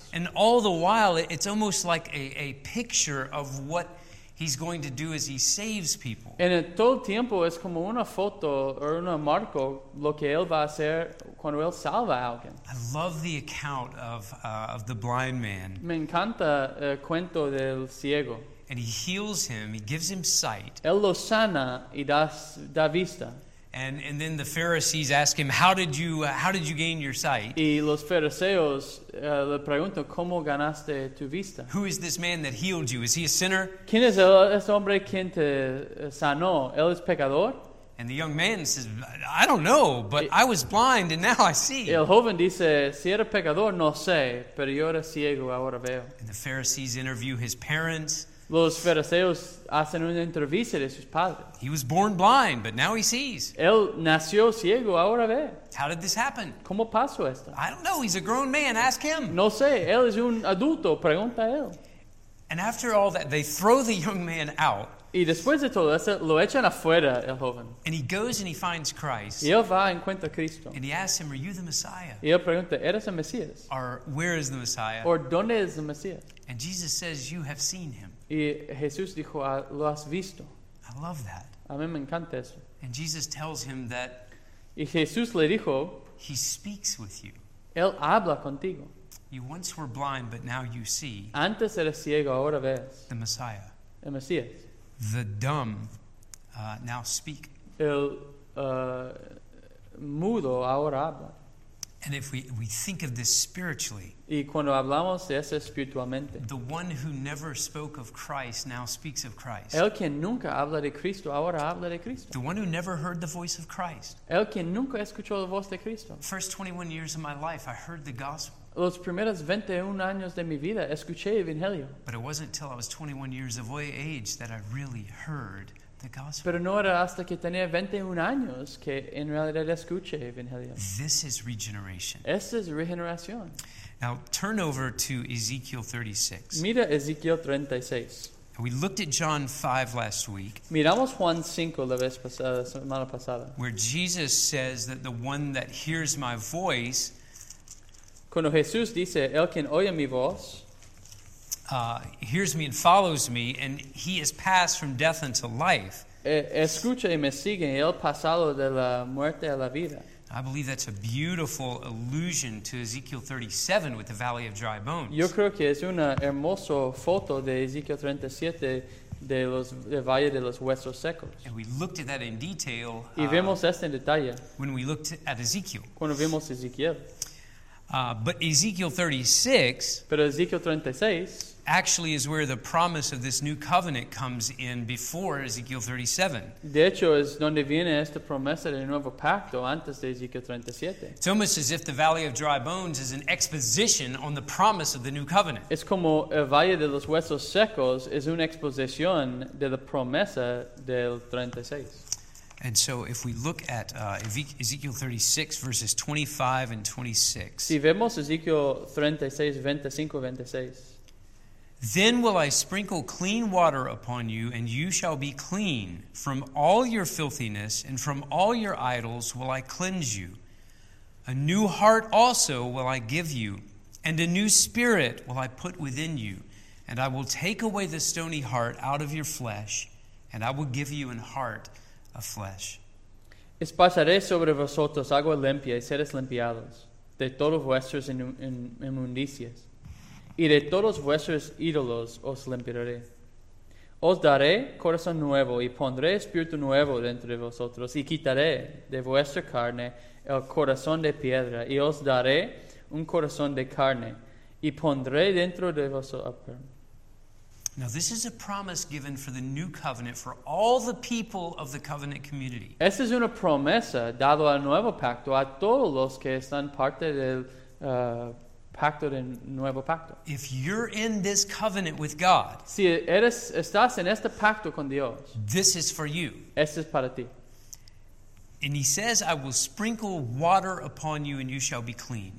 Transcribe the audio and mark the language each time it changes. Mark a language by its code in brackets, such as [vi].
[en] And all the while, it's almost like a picture of what He's going to do as he saves people. [es] En todo tiempo es como una foto o una marco lo que él va a hacer cuando él salva a alguien. [en] I love the account of the blind man. [es] Me encanta el cuento del ciego. [en] And he heals him, he gives him sight. [es] Él lo sana y da vista. [en] And then the Pharisees ask him, how did you gain your sight? [es] Y los fariseos le preguntan, ¿cómo ganaste tu vista? [en] Who is this man that healed you? Is he a sinner? [es] ¿Quién es ese hombre quien te sanó? ¿Él es pecador? [en] And the young man says, I don't know, but I was blind and now I see. [es] El joven dice, si era pecador, no sé, pero yo era ciego, ahora veo. [en] And the Pharisees interview his parents. [es] Los fariseos hacen una entrevista de sus padres. [en] He was born blind, but now he sees. [es] Él nació ciego, ahora ve. [en] How did this happen? [es] ¿Cómo pasó esto? [en] I don't know, he's a grown man, ask him. [es] No sé, él es un adulto, pregunta a él. [en] And after all that, they throw the young man out. [es] Y después de todo eso, lo echan afuera, el joven. [en] And he goes and he finds Christ. [es] Y él va y encuentra a Cristo. [en] And he asks him, are you the Messiah? [es] Y él pregunta, ¿eres el Mesías? [en] Or where is the Messiah? [es] Or ¿dónde es el Mesías? [en] And Jesus says, you have seen him. [es] Y Jesús dijo, ah, lo has visto. [en] I love that. [es] A mí me encanta eso. [en] And Jesus tells him that [es] y Jesús le dijo, [en] he speaks with you. [es] Él habla contigo. [en] You once were blind, but now you see. [es] Antes eres ciego, ahora ves. [en] The Messiah. [es] El Mesías. [en] The dumb now speak. [es] El mudo ahora habla. [en] And if we think of this spiritually, [es] y cuando hablamos de eso espiritualmente, [en] the one who never spoke of Christ now speaks of Christ. [es] El que nunca habla de Cristo ahora habla de Cristo. [en] The one who never heard the voice of Christ. [es] El que nunca escuchó la voz de Cristo. [en] First 21 years of my life, I heard the gospel. [es] Los primeros 21 años de mi vida escuché el evangelio. [en] But it wasn't until I was 21 years of age that I really heard the gospel. [es] Pero no era hasta que tenía 21 años que en realidad escuché el evangelio. [en] This is regeneration. [es] Esta es regeneración. [en] Now turn over to Ezekiel 36. [es] Mira Ezekiel 36. [en] We looked at John 5 last week. [es] Miramos Juan 5 la vez pasada, semana pasada. [en] Where Jesus says that the one that hears my voice. [es] Cuando Jesús dice, el quien oye mi voz, [en] hears me and follows me, and he has passed from death unto life. [es] Escucha y me sigue, y él pasado de la muerte a la vida. [en] I believe that's a beautiful allusion to Ezekiel 37 with the Valley of Dry Bones. [es] Yo creo que es una hermosa foto de Ezekiel 37 de los de Valle de los Huesos Secos. [en] And we looked at that in detail. [es] Y vemos esto en detalle. [en] When we looked at Ezekiel. [es] Cuando vimos Ezekiel. [en] But Ezekiel 36, [es] pero Ezekiel 36 [en] actually is where the promise of this new covenant comes in before Ezekiel 37. [es] De hecho, es donde viene esta promesa del nuevo pacto antes de Ezekiel 37. [en] It's almost as if the Valley of Dry Bones is an exposition on the promise of the new covenant. [es] Es como el Valle de los Huesos Secos es una exposición de la promesa del 36. [en] And so if we look at Ezekiel 36, verses 25 and 26. [es] Si vemos Ezekiel 36, 25, 26. [en] Then will I sprinkle clean water upon you, and you shall be clean. From all your filthiness and from all your idols will I cleanse you. A new heart also will I give you, and a new spirit will I put within you. And I will take away the stony heart out of your flesh, and I will give you an heart flesh. [es] Esparceré sobre vosotros agua limpia y seréis limpiados de todos vuestros inmundicias y de todos vuestros ídolos os limpiaré. Os daré corazón nuevo y pondré espíritu nuevo dentro de vosotros y quitaré de vuestra carne el corazón de piedra y os daré un corazón de carne y pondré dentro de vosotros. [en] Now this is a promise given for the new covenant for all the people of the covenant community. [es] Esta es una promesa dado al nuevo pacto a todos los que están parte del pacto del nuevo pacto. [en] If you're in this covenant with God, [es] si eres estás en este pacto con Dios, [en] this is for you. [es] Esto es para ti. [en] And he says, "I will sprinkle water upon you, and you shall be clean."